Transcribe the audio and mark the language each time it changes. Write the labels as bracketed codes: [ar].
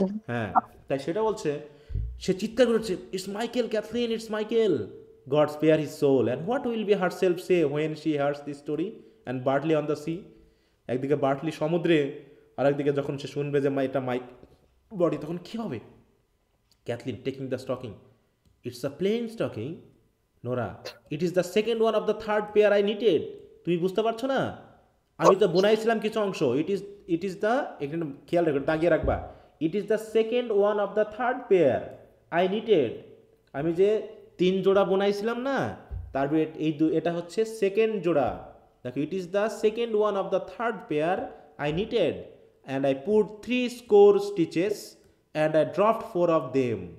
[bn] হ্যাঁ তাই সেটা বলছে, সে চিৎকার করছে [en] it's Michael Kathleen it's Michael, God spare his soul and what will be herself say when she hears this story and Bartley on the sea, [bn] একদিকে Bartley সমুদ্রে আর একদিকে যখন সে শুনবে যে এটা মাইক বডি তখন কী হবে? [en] Kathleen taking the stocking. It's a plain stocking. Nora, it is the second one of the third pair I knitted. [bn] তুমি বুঝতে পারছো না? আমি তো বুনাইছিলাম কিছু অংশ. [en] It is the [bn] একটু খেয়াল রাখবে, দাগিয়ে রাখবা. [en] It is the second one of the third pair I knitted. [bn] আমি যে তিন জোড়া বুনাইছিলাম না, তার এই দু এটা হচ্ছে সেকেন্ড জোড়া. [en] দেখো, it is the second one of the third pair I knitted and I put three score stitches and I dropped four of them.